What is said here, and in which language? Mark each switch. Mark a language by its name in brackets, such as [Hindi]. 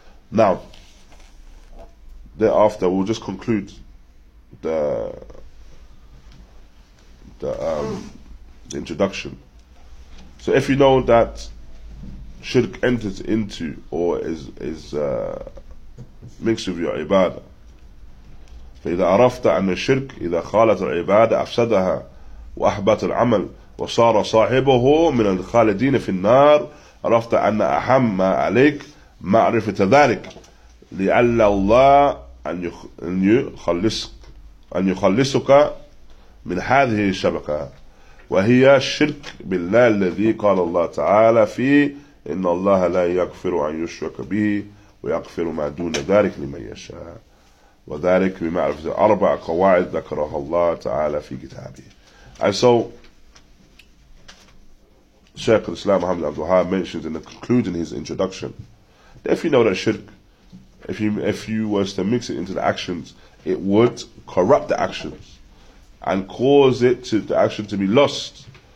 [English] Now, thereafter we'll just conclude the introduction. So if you know that shirk enters into or is mixed with your ibadah. [Arabic] فإذا عرفت أن الشرك إذا خالط العبادة أفسدها وأحبط العمل وصار صاحبه من الخالدين في النار. عرفت أن أهم ما عليك معرفة ذلك لعل الله أن يخلصك من هذه الشبكة وهي الشرك بالله الذي قال الله تعالى فيه إن الله لا يغفر عن يشرك به ويغفر ما دون ذلك لمن يشاء وذلك بمعرفة أربع قواعد ذكرها الله تعالى في كتابه. [English] And so Shaykh al-Islam Muhammad Abdul-Wahhab mentions in the concluding his introduction that if you know that shirk, if you were to mix it into the actions, it would corrupt the actions and cause the action to be lost.